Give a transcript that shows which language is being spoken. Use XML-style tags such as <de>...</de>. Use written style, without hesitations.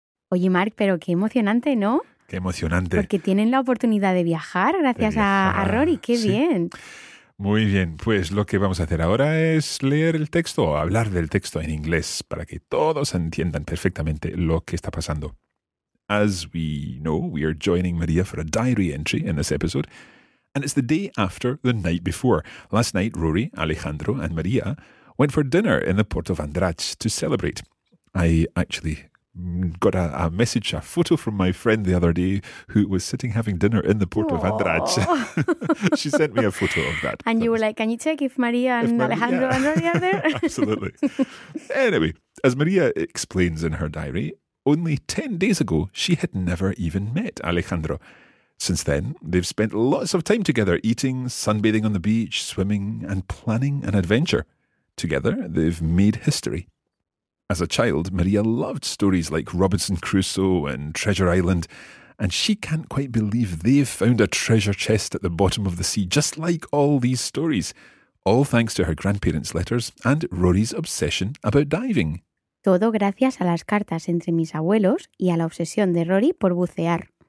<es>Oye, Mark, pero qué emocionante, ¿no? Qué emocionante. Porque tienen la oportunidad de viajar gracias a Rory. ¡Qué bien! Muy bien, pues lo que vamos a hacer ahora es leer el texto o hablar del texto en inglés para que todos entiendan perfectamente lo que está pasando.</es> <en>As we know, we are joining Maria for a diary entry in this episode, and it's the day after the night before. Last night, Rory, Alejandro and Maria went for dinner in the port of Andraç to celebrate. I actually got a message, a photo from my friend the other day who was sitting having dinner in the port of Andraç. She sent me a photo of that. And you were like, can you check if Maria and Alejandro and Rory are there? Absolutely. Anyway, as Maria explains in her diary, only 10 days ago, she had never even met Alejandro. Since then, they've spent lots of time together, eating, sunbathing on the beach, swimming, and planning an adventure. Together, they've made history. As a child, Maria loved stories like Robinson Crusoe and Treasure Island, and she can't quite believe they've found a treasure chest at the bottom of the sea, just like all these stories, all thanks to her grandparents' letters and Rory's obsession about diving.</en> <es>Todo gracias a las cartas entre mis abuelos y a la obsesión de Rory por bucear.</es>